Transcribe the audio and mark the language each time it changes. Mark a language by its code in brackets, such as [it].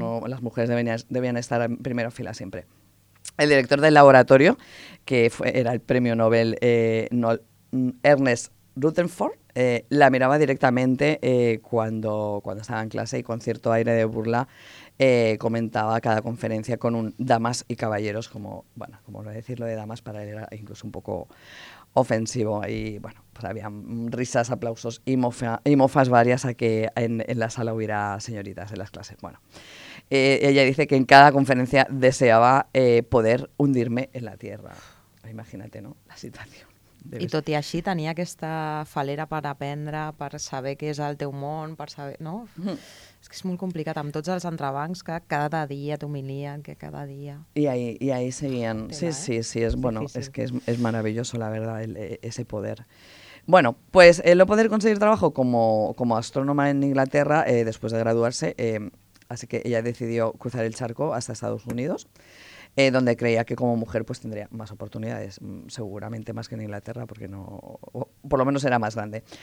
[es] Uh-huh. No, las mujeres debían estar en primera fila siempre. El director del laboratorio, que era el premio Nobel Ernest Rutherford, la miraba directamente cuando estaba en clase y con cierto aire de burla comentaba cada conferencia con un damas y caballeros, como, bueno, como lo voy a decir, lo de damas para él era incluso un poco ofensivo, y bueno, pues había risas, aplausos y mofas varias a que en la sala hubiera señoritas en las clases. Bueno, ella dice que en cada conferencia deseaba poder hundirme en la tierra. Imagínate, ¿no?, la situación. [ca] I tot i així tenia aquesta falera per aprendre, per saber què és el teu món, per saber, no? És que és molt complicat, amb tots els entrebancs que cada dia t'humilien, que cada dia... [es] I ahí seguien, sí, és, bueno, [ca] és que és [es] maravilloso, la verdad, ese poder. Bueno, pues el no poder conseguir trabajo como astrónoma en Inglaterra después de graduarse, así que ella decidió cruzar el charco hasta Estados Unidos, donde creía que como mujer pues tendría más oportunidades, seguramente más que en Inglaterra, porque no, por lo menos era más grande.